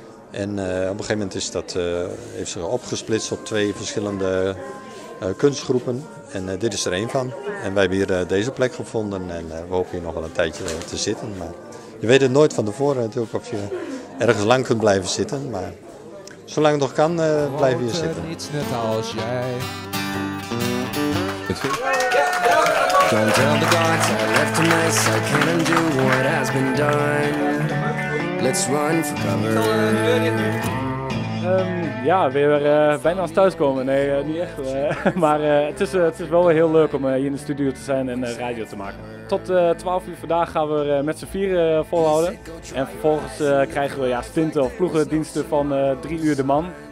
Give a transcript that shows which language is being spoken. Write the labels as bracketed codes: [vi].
[nl] En op een gegeven moment is dat heeft zich opgesplitst op 2 verschillende kunstgroepen. En dit is er één van. En wij hebben hier deze plek gevonden en we hopen hier nog wel een tijdje te zitten. Maar je weet het nooit van tevoren natuurlijk of je ergens lang kunt blijven zitten. Maar zolang het nog kan, blijf hier zitten. Niet net als jij. [en] Don't tell the gods I left a mess. I can't undo what has been done. Let's run for cover. [nl] Ja, weer bijna als thuiskomen. Nee, niet echt. Maar het is wel weer heel leuk om hier in de studio te zijn en radio te maken. Tot 12 uur vandaag gaan we met z'n vieren volhouden. En vervolgens krijgen we stinten of ploegendiensten van 3 uur de man.